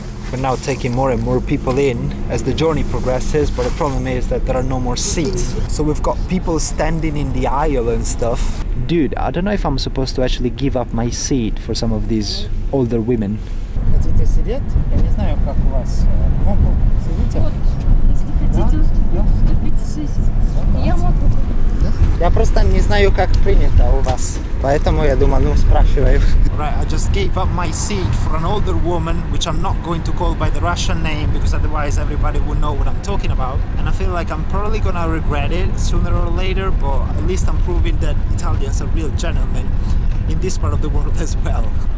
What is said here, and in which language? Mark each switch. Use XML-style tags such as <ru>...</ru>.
<en>We're now taking more and more people in as the journey progresses, but the problem is that there are no more seats. So we've got people standing in the aisle and stuff. Dude, I don't know if I'm supposed to actually give up my seat for some of these older women.</en> <ru>Хотите сидеть? Я не знаю, как у вас. Сидите. Если хотите, уступите сесть. Я могу. Я просто не знаю, как принято у вас. Поэтому я думаю, ну спрашиваю.</ru> <en>Right, I just gave up my seat for an older woman, which I'm not going to call by the Russian name because otherwise everybody will know what I'm talking about. And I feel like I'm probably gonna regret it sooner or later, but at least I'm proving that Italians are real gentlemen in this part of the world as well.</en>